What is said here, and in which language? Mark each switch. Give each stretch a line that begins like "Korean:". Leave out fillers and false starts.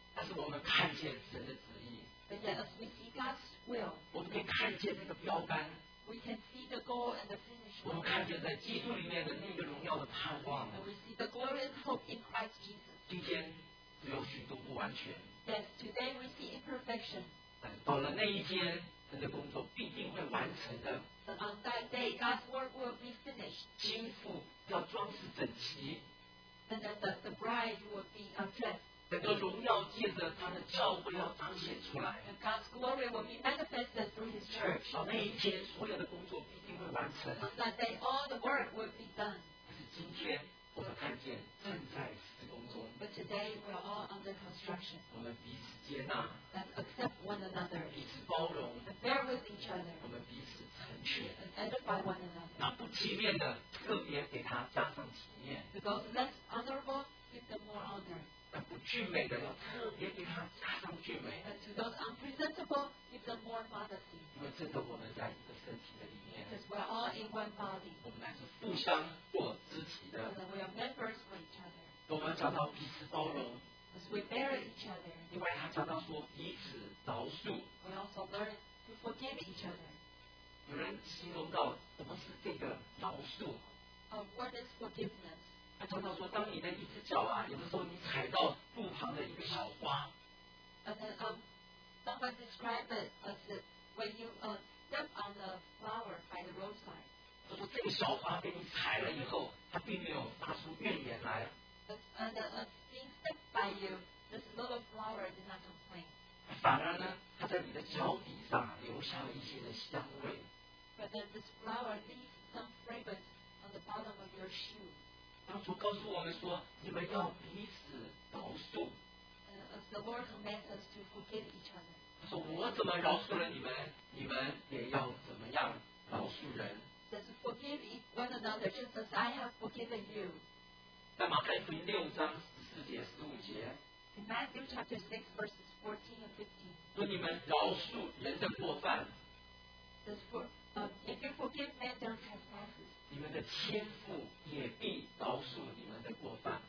Chinese: 但是我们看见神的旨意。
English: But yet as we see God's will,
Chinese: 我们可以看见那个标杆。
English: We can see the goal and the finish.
Chinese: 我们看见在基督里面的那个荣耀的盼望。
English: And we see the glorious hope in Christ Jesus.
Chinese: 今天只有许多不完全。
English: Yes, today we see imperfection.
Chinese: 到了那一天，神的工作必定会完成的。
English: But on that day, God's work will be finished.
Chinese: 金妇要装饰整齐。
English: And that the bride will be undressed.
Chinese: 整个荣耀借着他的教会要彰显出来。
English: And God's glory will be manifested through His church.
Chinese: 到那一天，所有的工作必定会完成。
English: On that day, all the work will be done.
Chinese: 可是今天，我们看见正在施工中。
English: But today we are all under construction.
Chinese: 我们彼此接纳。
English: And accept one another.
Chinese: 彼此包容。
English: And bear with each other.
Chinese: 我们彼此成全。
English: And edify one another.
Chinese: 那不体面的，特别给他加上体面。
English: To those less honorable, give them more honor.
Chinese: 那不俊美的，要特别给他加上俊美。
English: And to those unpresentable, give them more modesty.
Chinese: 因为这个我们在一个身体的里面。
English: Because we are all in one body.
Chinese: 我们乃是互相做肢体的。
English: So that we are members for each other.
Chinese: 我们讲到彼此包容
English: ，as we bear each other。
Chinese: 另外，他讲到说彼此饶恕
English: ，we also learn to forgive each other。
Chinese: 有人形容到什么是这个饶恕
English: ？What is forgiveness？
Chinese: 他讲到说，当你的一只脚啊，有的时候你踩到路旁的一个小花
English: ，and then someone described it as when you step on a flower by the roadside。
Chinese: 他说这个小花被你踩了以后，它并没有发出怨言来。
English: And being stepped by you, this little flower did not complain.
Chinese: 反而呢，它在你的脚底上留下了一些的香味。
English: But then this flower leaves some fragrance on the bottom of your shoe.
Chinese: 当初告诉我们说，你们要彼此饶恕。
English: As the Lord commands us to forgive each other.
Chinese: 他说我怎么饶恕了你们，你们也要怎么样饶恕人。
English: Says forgive one another just as I have forgiven you.
Chinese: 在马太福音六章四节十五节
English: In Matthew chapter 6 verses 14 and 15
Chinese: 说你们饶恕人的过犯
English: If you forgive men their trespasses
Chinese: 你们的天父也必饶恕你们的过犯